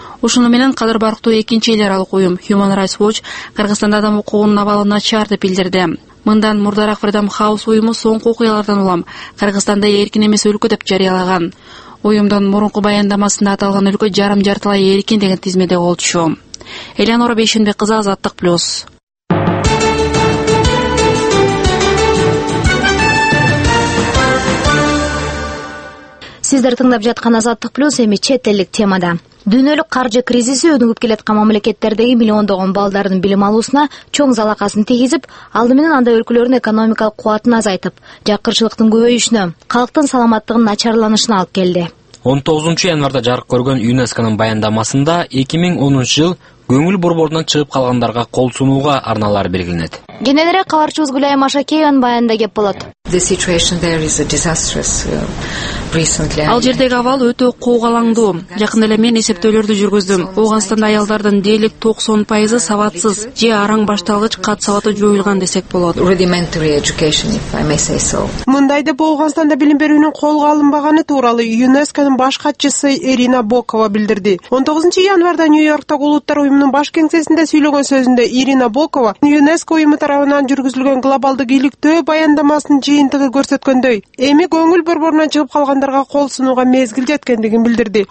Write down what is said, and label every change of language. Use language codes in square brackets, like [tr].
[ky] Ушуну менен Кадыр Барктуу экинчи эл аралык уюм Human Rights Watch Кыргызстанда адам укугунун абалы начар деп билдирди. Мындан мурдараак Freedom House уюму соңку окуялардан улам Кыргызстанда эркин эмес өлкө деп жарыялаган. Уюмдун мурунку баяндамасында аталган өлкө жарым жартылай эркин деген тизмеде болчу. Эленора Бейшенбек кызы, Азаттык Плюс. Сиздер тыңдап жаткан Азаттык Плюс эми чет элдик темада. Дүйнөлүк каржы кризиси өнүгүп келаткан мамлекеттердеги миллиондогон балдардын билим алуусуна чоң залакасын тийгизип, алды менен андай өлкөлөрдүн экономикалык кубатын азайтып, жакырчылыктын көбөйүшүнө, калктын саламаттыгынын начарланышына алып келди. 19-январда жарык көргөн ЮНЕСКОнун баяндамасында 2010-жыл көңүл борборунан чыгып калгандарга кол сунууга арналары белгиленет. Кененирээк кабарчыбыз Гүлайым Ашакеевен баянында кеп болот. [en] The situation there is a disastrous recently. [ky] Ал жердеги абал өтө коогалаңдуу. Жакын эле мен эсептөөлөрдү жүргүздүм. Ооганстанда аялдардын дээрлик 90% саватсыз же араң башталгыч кат сабаты жоюлган десек болот. [en] Rudimentary education if I may say so. [ky] Мындай деп Ооганстанда билим берүүнүн колго алынбаганы тууралуу ЮНЕСКОнун баш катчысы Ирина Бокова билдирди. 19-январда Нью-Йорктагы улуттар уюмунун баш кеңсесинде сүйлөгөн сөзүндө Ирина Бокова ЮНЕСКО уюму тарабынан жүргүзүлгөн глобалдык иликтөө баяндамасы жыйынтыгы көрсөткөндөй, эми көңүл борборунан чыгып калгандарга кол сунууга мезгил жеткендигин билдирди.